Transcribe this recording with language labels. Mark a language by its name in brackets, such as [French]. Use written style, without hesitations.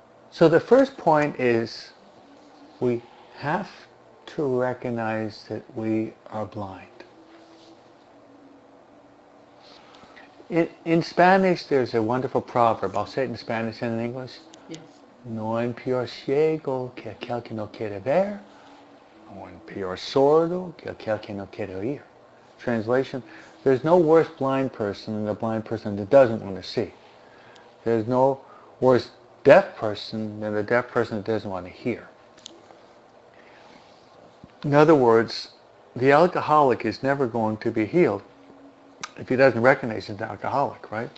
[English] So the first point is we have to recognize that we are blind. In Spanish, there's a wonderful proverb. I'll say it in Spanish and in English. Yes. [Spanish] No hay peor ciego que aquel que no quiere ver. No hay peor sordo que aquel que no quiere oír. [English] Translation, there's no worse blind person than the blind person that doesn't want to see. There's no worse deaf person than the deaf person that doesn't want to hear. In other words, the alcoholic is never going to be healed if he doesn't recognize he's an alcoholic, right?